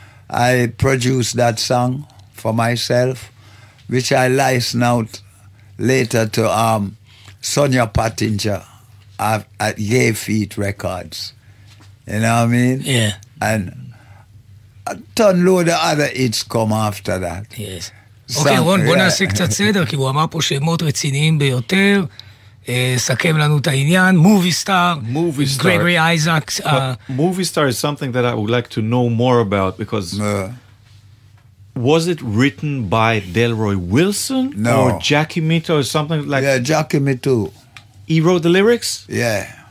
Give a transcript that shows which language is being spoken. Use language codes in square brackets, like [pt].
[en] I produced that song for myself which I licensed out later to Sonia Pattinger at Gay Feet Records. You know what I mean? Yeah. And a ton load of other hits come after that. Yes. [he] Okay, רון, בוא נעשה קצת סדר, כי הוא אמר פה שמות רציניים ביותר. סכם לנו את העניין. Movie Star. [en] Movie Star. Gregory Isaacs. Movie Star is something that I would like to know more about, because was it written by Delroy Wilson? No. Or Jackie Mito or something like that? Yeah, Jackie Mito. He wrote the lyrics? Yeah.